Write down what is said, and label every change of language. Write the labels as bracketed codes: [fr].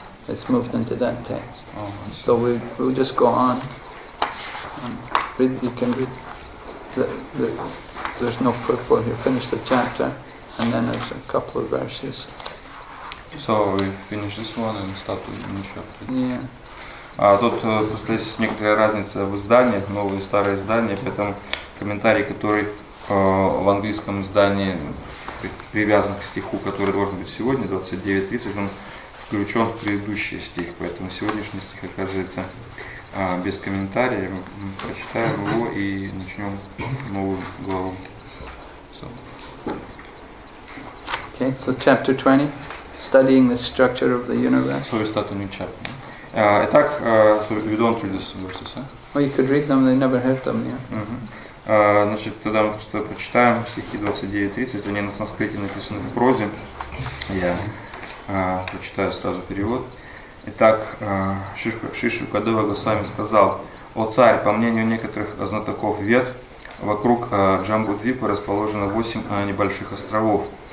[en] It's moved into that text. Oh, so we'll just go on. Read, you can read. There's no purport here. Finish the chapter. And then there's a couple of verses. So we finish this one and start with the new chapter. Yeah. [ru] Тут просто есть некоторая разница в изданиях, новое и старое издание. Поэтому комментарий, который в английском издании привязан к стиху, который должен быть сегодня, 29.30, он включен в предыдущий стих. Поэтому сегодняшний стих оказывается без комментария. Мы прочитаем его и начнем новую главу. [en] So. Okay, so chapter 20, studying the structure of the universe. So we start a new chapter. [ru] Итак, [en] so we don't read these verses, huh? Well, you could read them, they never heard them, yeah. [ru] Значит, тогда мы просто прочитаем стихи 29-30, они на санскрите написаны в прозе. Я прочитаю сразу перевод. Итак, Шишу Кадева Госвами сказал: «О царь, по мнению некоторых знатоков Вед, вокруг Джамбудвипы расположено 8 небольших островов.